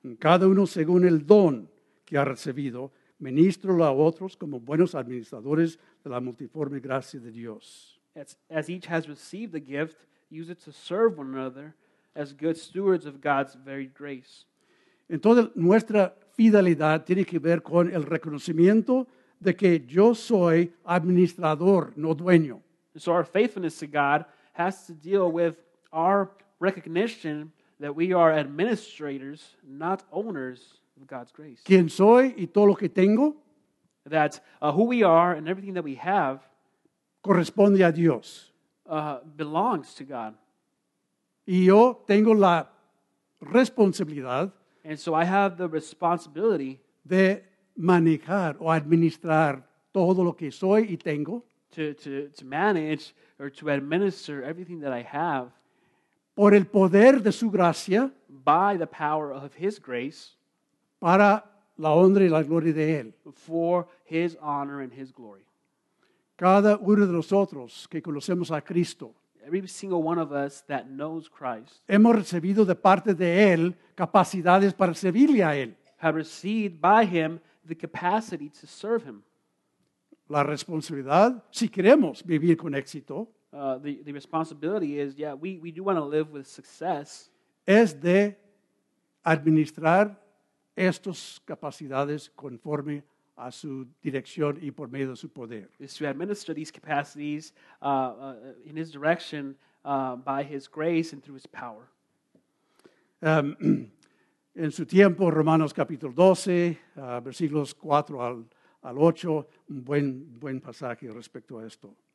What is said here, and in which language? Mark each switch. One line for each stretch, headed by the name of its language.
Spanish: Cada uno según el don que ha recibido, ministrólo a otros como buenos administradores de la multiforme gracia de Dios.
English: As each has received the gift, use it to serve one another as good stewards of God's very grace.
Spanish: Entonces, nuestra fidelidad tiene que ver con el reconocimiento de que yo soy administrador, no dueño.
English: So our faithfulness to God has to deal with our recognition that we are administrators, not owners of God's grace.
Spanish: ¿Quién soy y todo lo que tengo?
English: That who we are and everything that we have
Spanish: corresponde a Dios.
English: Belongs to God.
Spanish: Y yo tengo la responsabilidad.
English: And so I have the responsibility
Spanish: de manejar o administrar todo lo que soy y tengo.
English: To manage or to administer everything that I have.
Spanish: Por el poder de su gracia.
English: By the power of his grace.
Spanish: Para la honra y la gloria de él.
English: For his honor and his glory.
Spanish: Cada uno de nosotros que conocemos a Cristo.
English: Every single one of us that knows Christ.
Spanish: Hemos recibido de parte de él capacidades para servirle a él.
English: Have received by him the capacity to serve him.
Spanish: La responsabilidad, si queremos vivir con éxito.
English: The responsibility is, yeah, we do want to live with success.
Spanish: Es de administrar estas capacidades conforme a su dirección y por medio de su poder.
English: Is to administer these capacities in his direction by his grace and through his power.
Spanish: En su tiempo, Romanos capítulo 12, versículos 4 al 8, un buen pasaje respecto a esto.